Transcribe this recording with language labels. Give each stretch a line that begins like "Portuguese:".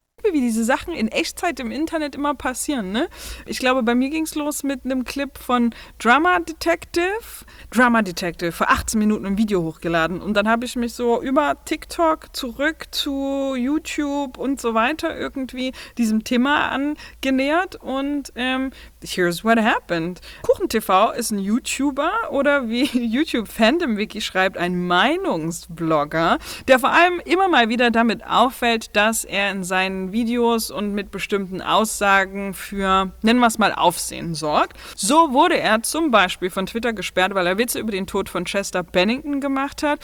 German: Wie diese Sachen in Echtzeit im Internet immer passieren, ne? Ich glaube, bei mir ging es los mit einem Clip von Drama Detective, für 18 Minuten ein Video hochgeladen. Und dann habe ich mich so über TikTok zurück zu YouTube und so weiter irgendwie diesem Thema angenähert. Und
English: here's what happened.
German: KuchenTV ist ein YouTuber oder wie YouTube Fandom Wiki schreibt, ein Meinungsblogger, der vor allem immer mal wieder damit auffällt, dass er in seinen Videos und mit bestimmten Aussagen für, nennen wir es mal, Aufsehen sorgt. So wurde er zum Beispiel von Twitter gesperrt, weil er Witze über den Tod von Chester Bennington gemacht hat.